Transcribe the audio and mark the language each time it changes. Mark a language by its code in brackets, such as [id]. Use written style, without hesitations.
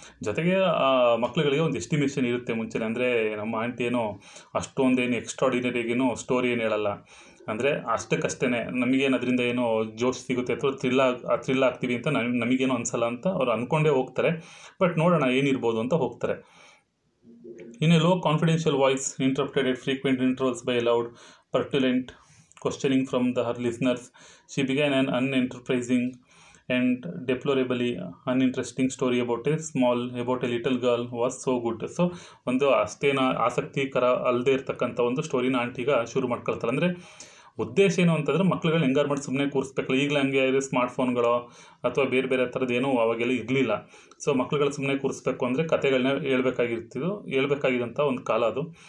[kn] ಜೊತೆಗೆ ಆ ಮಕ್ಕಳುಗಳಿಗೆ ಒಂದು ಎಸ್ಟಿಮೇಷನ್ ಇರುತ್ತೆ ಮುಂಚೆನೆ, ಅಂದರೆ ನಮ್ಮ ಆಂಟಿ ಏನೋ ಅಷ್ಟೊಂದೇನು ಎಕ್ಸ್ಟ್ರಾಡಿನರಿಗೇನು ಸ್ಟೋರಿ ಏನು ಹೇಳಲ್ಲ, ಅಂದರೆ ಅಷ್ಟಕ್ಕಷ್ಟೇ ನಮಗೇನು ಅದರಿಂದ ಏನೋ ಜೋಶ್ ಸಿಗುತ್ತೆ ಅಥವಾ ಥ್ರಿಲ್ ಆಗ್ತೀವಿ ಅಂತ ನಮಗೇನು ಅನಿಸಲ್ಲ ಅಂತ ಅವ್ರು ಅಂದ್ಕೊಂಡೇ ಹೋಗ್ತಾರೆ. ಬಟ್ ನೋಡೋಣ ಏನಿರ್ಬೋದು ಅಂತ ಹೋಗ್ತಾರೆ. [en] In a low confidential voice interrupted at frequent intervals by aloud pertulent questioning from the her listeners she began an unenterprising and deplorably uninteresting story about a small, about a little girl was so good. [kn] So, ಒಂದು ಅಷ್ಟೇನ ಆಸಕ್ತಿಕರ ಅಲ್ಲದೆ ಇರ್ತಕ್ಕಂಥ ಒಂದು ಸ್ಟೋರಿನ ಆಂಟಿಗೆ ಶುರು ಮಾಡ್ಕೊಳ್ತಾರೆ. ಅಂದರೆ ಉದ್ದೇಶ ಏನು ಅಂತಂದರೆ ಮಕ್ಕಳುಗಳು ಹೆಂಗಾರ ಮಾಡಿ ಸುಮ್ಮನೆ ಕೂರಿಸ್ಬೇಕಲ್ಲ. ಈಗಲೇ ಹಂಗೆ ಇದೆ ಸ್ಮಾರ್ಟ್ಫೋನ್ಗಳು ಅಥವಾ ಬೇರೆ ಬೇರೆ ಥರದ್ದೇನೋ ಅವಾಗೆಲ್ಲ ಇರಲಿಲ್ಲ. ಸೊ ಮಕ್ಕಳುಗಳು ಸುಮ್ಮನೆ ಕೂರಿಸ್ಬೇಕು ಅಂದರೆ ಕತೆಗಳನ್ನ ಹೇಳಬೇಕಾಗಿರ್ತಿದ್ದು ಹೇಳಬೇಕಾಗಿದ್ದಂಥ ಒಂದು ಕಾಲ ಅದು.